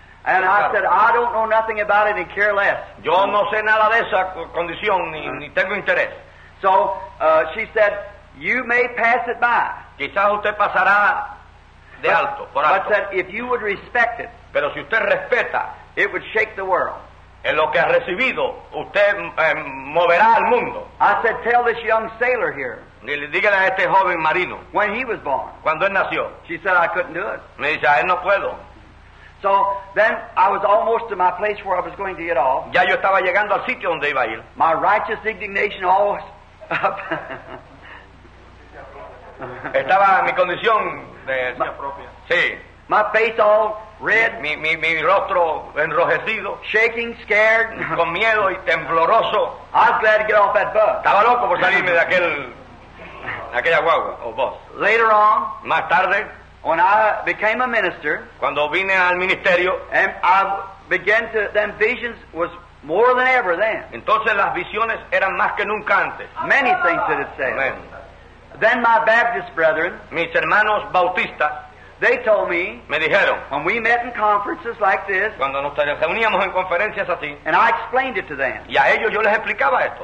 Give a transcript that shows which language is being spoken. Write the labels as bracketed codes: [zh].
[en] And I said, I don't know nothing about it and care less. [es] Yo no sé nada de esa condición, ni tengo interés. [en] So, she said, you may pass it by. [es] Quizás usted pasará de alto, por alto. [en] But said, if you would respect it, [es] pero si usted respeta, [en] it would shake the world. [es] En lo que ha recibido, usted moverá al mundo. [en] I said, tell this young sailor here. [es] Dígale a este joven marino. [en] When he was born. [es] Cuando él nació. [en] She said, I couldn't do it. [es] Me dice, a él no puedo. [en] So then I was almost to my place where I was going to get off. [es] Ya yo estaba llegando al sitio donde iba a ir. [en] My righteous indignation always up. [es] Estaba mi condición de propia. Sí. [en] My face all red. [es] Mi rostro enrojecido. [en] Shaking, scared. [es] Con miedo y tembloroso. [en] I was glad to get off that bus. [es] Estaba loco por salirme de aquella guagua o bus. [en] Later on. [es] Más tarde. [en] When I became a minister. [es] Cuando vine al ministerio. [en] And I began to, then visions was more than ever then. [es] Entonces las visiones eran más que nunca antes. [en] Many things that it said. Amen. Then my Baptist brethren, [es] mis hermanos bautistas, [en] they told me, [es] me dijeron, [en] when we met in conferences like this, [es] cuando nos reuníamos en conferencias así, [en] and I explained it to them, [es] y a ellos yo les explicaba esto,